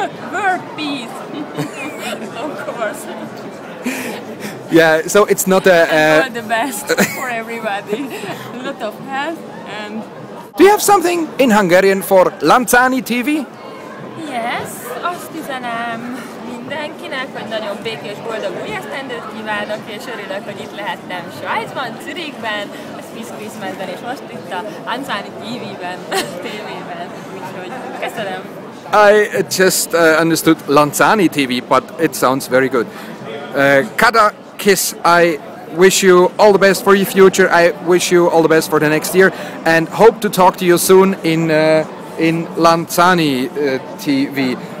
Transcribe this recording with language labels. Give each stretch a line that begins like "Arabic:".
English: World peace. Of course. Yeah, so it's not a the best for everybody. A lot of health and do you have something in Hungarian for Lanzani TV?
Hungarian: Yes, azt üzenem. Mindenkinek, hogy nagyon békés, boldog új esztendőt kívánok, és örülök, hogy itt lehettem Svájcban, Zürichben, a Swiss Christmasben, és most itt a Lanzani TV-ben, úgyhogy köszönöm.
English: I just understood Lanzani TV, but it sounds very good. Kata, kiss, I wish you all the best for your future, I wish you all the best for the next year, and hope to talk to you soon in Lanzani TV.